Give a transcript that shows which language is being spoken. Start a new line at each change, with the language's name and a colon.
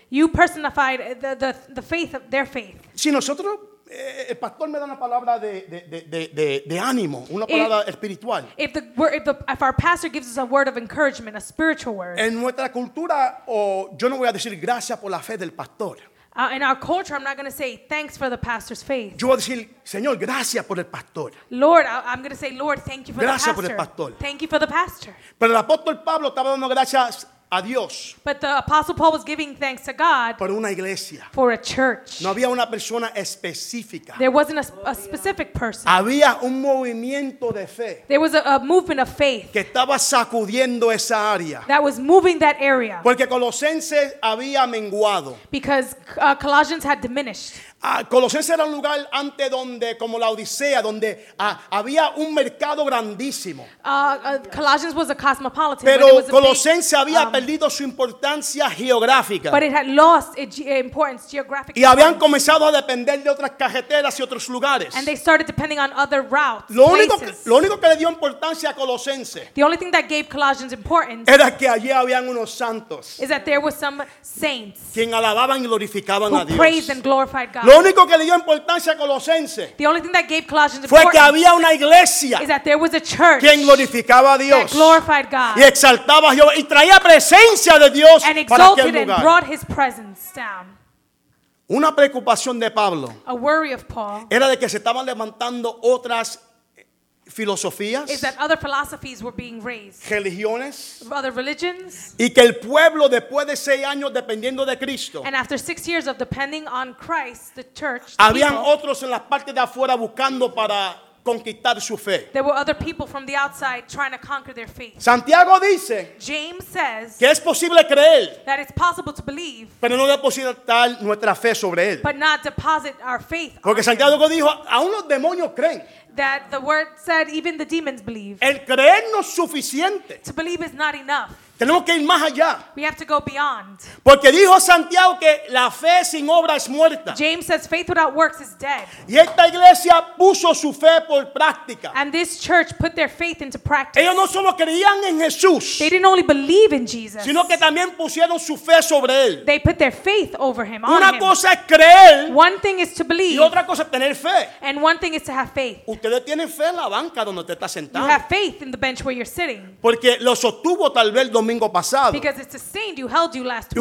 English: You personified the faith of their faith.
Spanish: Si nosotros el pastor me da una palabra de ánimo, una palabra espiritual.
English: If our pastor gives us a word of encouragement, a spiritual word.
Spanish: En nuestra cultura, yo no voy a decir gracias por la fe del pastor.
English: In our culture, I'm not going to say thanks for the pastor's faith.
Spanish: Yo voy a decir, Señor, gracias por el pastor.
English: Lord, I'm going to say, Lord, thank you for
Spanish: gracias
English: the pastor.
Spanish: Por el pastor.
English: Thank you for the pastor.
Spanish: Pero el apóstol Pablo estaba dando gracias.
English: But the Apostle Paul was giving thanks to God
Spanish: por una iglesia.
English: For a church.
Spanish: No había una persona específica.
English: There wasn't a specific person.
Spanish: Había un movimiento de fe.
English: There was a movement of faith
Spanish: que estaba sacudiendo esa área.
English: That was moving that area.
Spanish: Porque Colosenses había menguado.
English: Because Colossians had diminished.
Spanish: Colosenses era un lugar antes donde, como la Odisea, donde había un mercado grandísimo.
English: Colossians was a cosmopolitan.
Spanish: Pero Colosenses había perdido su importancia geográfica.
English: But it had lost its importance, geographic importance.
Spanish: Y habían comenzado a depender de otras carreteras y otros lugares.
English: And they started depending on other routes.
Spanish: Lo único que le dio importancia a Colosenses.
English: The only thing that gave Colossians importance.
Spanish: Era que allí habían unos santos.
English: Is that there were some saints.
Spanish: Quien alababan y glorificaban a Dios.
English: Who praised and glorified God.
Spanish: Lo único que le dio importancia a Colosenses.
English: The only thing that gave Colossians
Spanish: fue que había una iglesia.
English: Is that there was a church.
Spanish: Quien glorificaba a Dios.
English: That glorified God.
Spanish: Y exaltaba a Jehová y traía presencia de Dios
English: and
Spanish: para aquel lugar.
English: And exalted and brought his presence down.
Spanish: Una preocupación de Pablo.
English: A worry of Paul.
Spanish: Era de que se estaban levantando otras filosofías.
English: Is that other philosophies were being raised.
Spanish: Religiones.
English: Other religions.
Spanish: Y que el pueblo después de 6 años dependiendo de Cristo.
English: And after 6 years of depending on Christ, the church, the
Spanish: habían
English: people,
Spanish: otros en las partes de afuera buscando para conquistar su fe.
English: There were other people from the outside trying to conquer their faith.
Spanish: Santiago dice,
English: James says,
Spanish: que es posible creer,
English: that it's possible to believe,
Spanish: pero no depositar nuestra fe sobre él.
English: But not deposit our faith.
Spanish: Porque Santiago dijo, aún los demonios creen.
English: That the word said even the demons believe.
Spanish: El creer no es suficiente.
English: To believe is not enough.
Spanish: Tenemos que ir más allá.
English: We have to go beyond.
Spanish: Porque dijo Santiago que la fe sin obra es muerta.
English: James says faith without works is dead.
Spanish: Y esta iglesia puso su fe por práctica.
English: And this church put their faith into practice.
Spanish: Ellos no solo creían en Jesús.
English: They didn't only believe in Jesus.
Spanish: Sino que también pusieron su fe sobre él.
English: They put their faith over him.
Spanish: Una
English: on
Spanish: cosa
English: him.
Spanish: Es creer.
English: One thing is to believe.
Spanish: Y otra cosa es tener fe.
English: And one thing is to have faith.
Spanish: Ustedes tienen fe en la banca donde usted está sentado.
English: You have faith in the bench where you're sitting.
Spanish: Porque lo sostuvo tal vez domingo pasado.
English: Because it sustained you, held you last week.